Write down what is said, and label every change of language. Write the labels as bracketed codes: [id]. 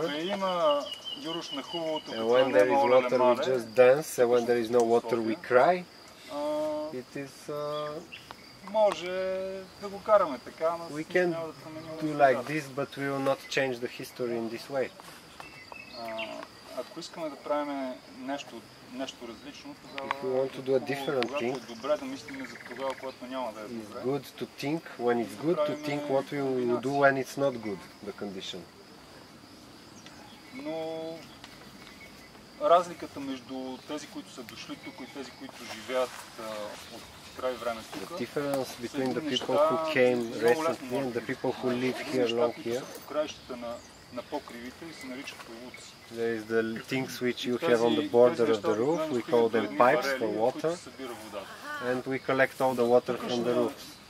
[bg] Като има юруш на хубавото, [en] and when there is water, we just dance. And when there is no water, we cry. It is. [bg] Може да го караме така, но [en] we can do like this, but we will not change the history in this way. [bg] Ако искаме да правим нещо. Нещо различно, тогава, [en] if we want to do a different [bg] когато, [en] thing, [bg] добре да мислим за тогава, когато няма да е добре. [en] It's good to think when it's good, to think what we will do when it's not good, the condition. [bg] Но разликата между тези, които са дошли тук и тези, които живеят от край време тук. [en] The difference between the people who came recently and the people who live here long here. [bg] На покривите и се наричат улуц. [en] There is the things which you have on the border of the roof. We call them pipes for water. And we collect all the water from the roofs.